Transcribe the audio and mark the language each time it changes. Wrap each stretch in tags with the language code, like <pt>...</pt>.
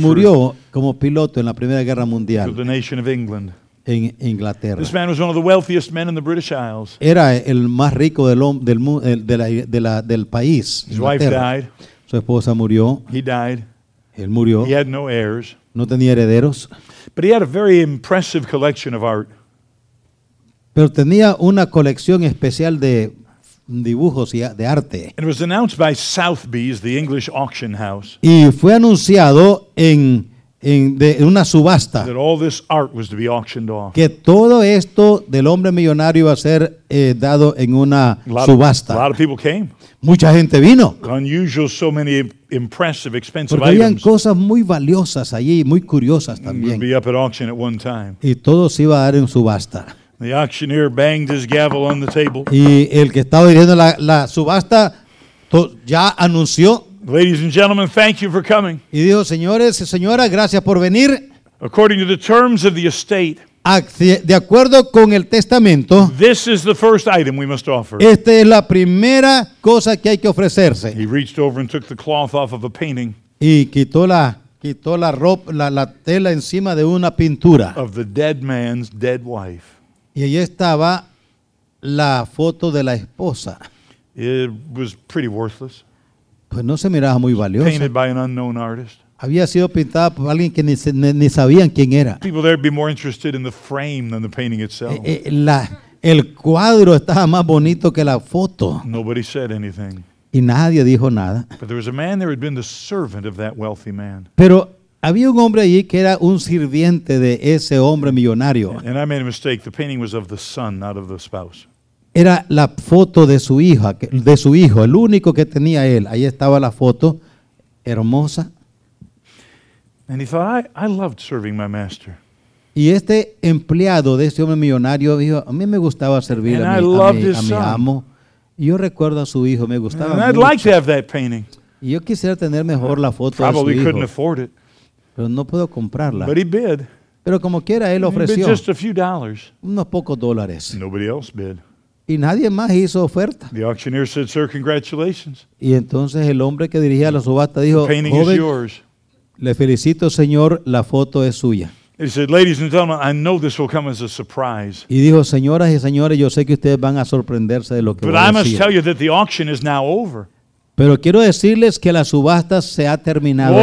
<es>Murió como piloto en la Primera Guerra Mundial.</es> <en>To the nation of England.</en> <es>En Inglaterra.</es> <en>This man was one of the wealthiest men in the British Isles.</en> <es>Era el más rico del país.</es> <en>His wife died.</en> <es>Su esposa murió.</es> <en>He died.</en> <es>Él murió.</es> <en>He had no heirs.</en> <es>No tenía herederos.</es> <en>But he had a very impressive collection of art.</en> <es>Pero tenía una colección especial de dibujos y de arte.</es> <en>It was announced by Sotheby's, the English auction house.</en> <es>Y fue anunciado en una subasta.</es> <en>That all this art was to be auctioned off.</en> <es>Que todo esto del hombre millonario iba a ser dado en una subasta.</es> <en>A lot of people came.</en> <es>Mucha gente vino.</es> <en>Unusual, so many impressive, expensive</en> <es>Porque habían</es> <en>items.</en> <es>Cosas muy valiosas allí, muy curiosas también.</es> <en>Would be up at auction at one time.</en> <es>Y todo se iba a dar en subasta.</es> <en>The auctioneer banged his gavel on the table.</en> <es>Y el que estaba dirigiendo la subasta ya anunció.</es> <en>Ladies and gentlemen, thank you for coming.</en> <es>Y dijo, señores y señoras, gracias por venir.</es> <en>According to the terms of the estate.</en> <es>De acuerdo con el testamento.</es> <en>This is the first item we must offer.</en> <es>Esta es la primera cosa que hay que ofrecerse.</es> <en>He reached over and took the cloth off of a painting.</en> <es>Y quitó la ropa, la tela encima de una pintura.</es> <en>Of the dead man's dead wife.</en> <es>Y ahí estaba la foto de la esposa.</es> <en>It was pretty worthless.</en> <es>Pues no se miraba muy valiosa.</es> <en>Painted by an unknown artist.</en> <es>Había sido pintada por alguien que ni sabían quién era.</es> <en>People there would be more interested in the frame than the painting itself.</en> <es>El cuadro estaba más bonito que la foto.</es> <en>Nobody said anything.</en> <es>Y nadie dijo nada.</es> <en>But there was a man there who had been the servant of that wealthy man.</en> <es>Pero había un hombre allí que era un sirviente de ese hombre millonario.</es> <en>And I made a mistake. The painting was of the son, not of the spouse.</en> <es>Era la foto de su hija, el único que tenía él. Ahí estaba la foto, hermosa.</es> <en>And he thought, I loved serving my master.</en> <es>Y este empleado de ese hombre millonario dijo, a mí me gustaba servir a mi amo. Y yo recuerdo a su hijo, me gustaba</es> <en>and</en> <es>mucho.</es> <en>I'd like to have that painting.</en> <es>Y yo quisiera tener mejor la foto</es> <en>probably</en> <es>de su hijo.</es> <en>Couldn't afford it.</en> <es>Pero no puedo comprarla.</es> <en>But he bid.</en> <es>Pero como quiera, él ofreció.</es> <en>He bid just a few dollars.</en> <es>Unos pocos dólares.</es> <en>Nobody else bid.</en> <es>Y nadie más hizo oferta.</es> <en>The auctioneer said, sir, congratulations.</en> <es>Y entonces el hombre que dirigía la subasta dijo,</es> <en>the painting is yours.</en> <es>Le felicito, señor, la foto es suya.</es> <en>He said, ladies and gentlemen, I know this will come as a surprise.</en> <es>Y dijo, señoras y señores, yo sé que ustedes van a sorprenderse de lo que voy a decir.</es> <en>But I must tell you that the auction is now over.</en> <es>Pero quiero decirles que la subasta se ha terminado.</es>